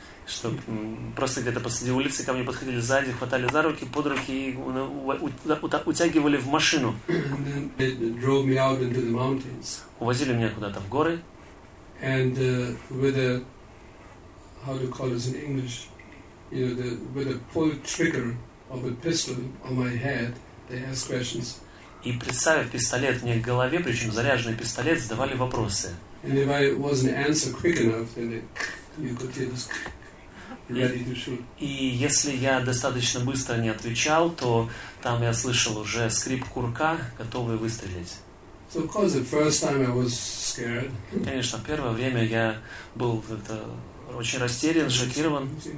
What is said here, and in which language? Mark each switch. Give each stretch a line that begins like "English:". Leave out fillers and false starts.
Russian: Что просто где-то посреди улицы ко мне подходили сзади, хватали за руки, под руки и утягивали в машину.
English: And then they drove me out into the mountains.
Russian: Увозили меня куда-то в горы.
English: And with a, how do you call this in English? You know, the, with a pull trigger of a pistol on my head, they asked questions.
Russian: И приставив пистолет мне к голове, причем заряженный пистолет, задавали вопросы.
English: And if I wasn't answered quick enough, then they, you could hear this.
Russian: И если я достаточно быстро не отвечал, то там я слышал уже скрип курка, готовый выстрелить.
English: So, of course, the first time I was scared.
Russian: Конечно, первое время я был очень растерян, шокирован.